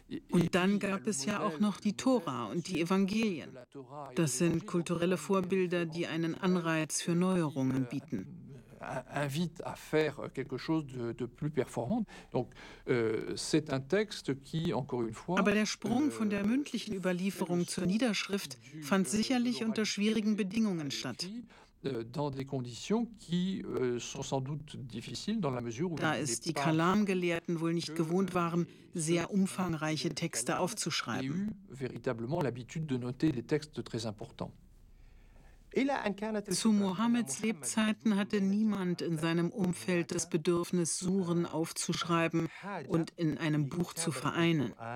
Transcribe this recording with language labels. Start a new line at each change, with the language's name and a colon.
German: Und dann gab es ja auch noch die Tora und die Evangelien. Das sind kulturelle Vorbilder, die einen Anreiz für Neuerungen bieten.
French: Invite à faire quelque chose de plus performant. Donc, c'est un texte qui, encore une fois,
German: Aber der Sprung von der mündlichen Überlieferung zur Niederschrift fand sicherlich unter schwierigen Bedingungen statt.
French: Dans des conditions qui sont sans doute difficiles dans la mesure où
German: da es die Kalam-Gelehrten wohl nicht gewohnt waren, sehr umfangreiche Texte aufzuschreiben.
French: Ils avaient véritablement l'habitude de noter des textes très importants.
German: Zu Mohammeds Lebzeiten hatte niemand in seinem Umfeld das Bedürfnis, Suren aufzuschreiben und in einem Buch zu vereinen.